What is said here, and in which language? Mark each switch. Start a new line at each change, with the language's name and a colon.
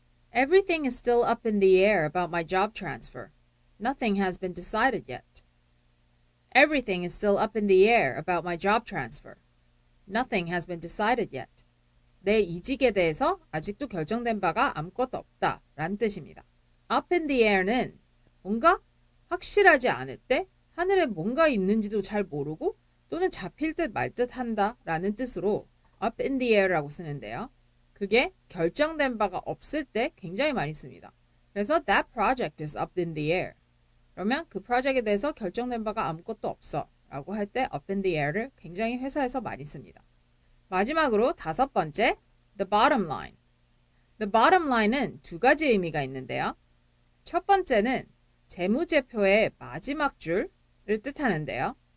English: Everything is still up in the air about my job transfer. Nothing has been decided yet. Everything is still up in the air about my job transfer. Nothing has been decided yet.
Korean: 내 이직에 대해서 아직도 결정된 바가 아무것도 없다 라는 뜻입니다.
English: up in the air
Korean: 는 뭔가 확실하지 않을 때 하늘에 뭔가 있는지도 잘 모르고 또는 잡힐 듯 말 듯 한다 라는 뜻으로 up in the air라고 쓰는데요. 그게 결정된 바가 없을 때 굉장히 많이 씁니다.
English: 그래서 that project is up in the air.
Korean: 그러면 그 프로젝트에 대해서 결정된 바가 아무것도 없어 라고 할 때
English: up in the air
Korean: 를 굉장히 회사에서 많이 씁니다. 마지막으로 다섯 번째,
English: the bottom line.
Korean: The bottom line은 두 가지 의미가 있는데요. 첫 번째는 재무제표의 마지막 줄을 뜻하는데요.